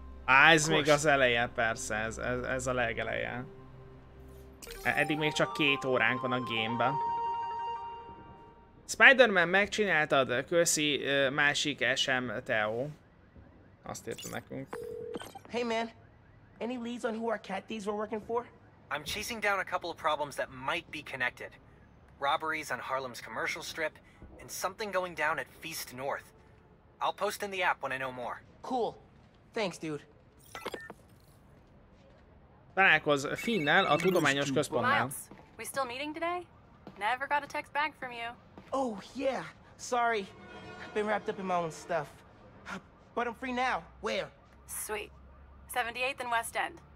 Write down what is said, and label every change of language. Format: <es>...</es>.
<hu>Ez még az eleje, persze, ez a legeleje. Eddig még csak 2 óránk van a gameben. Spider-Man, megcsináltad? Köszi, másik SM Teo. Azt írta nekünk.</hu> <en>Hey man, any leads on who our cat thieves were working for? I'm chasing down a couple of problems that might be connected. Robberies on Harlem's commercial strip, and something going down at Feast North. I'll post in the app when I know more. Cool. Thanks, dude.</en> <hu>Találkozz Finnnel a tudományos központnál.</hu> <en>Miles, we still meeting today? Never got a text back from you. Oh, yeah. Sorry. Been wrapped up in my own stuff. But I'm free now. Where? Sweet. 78th and West End.</en>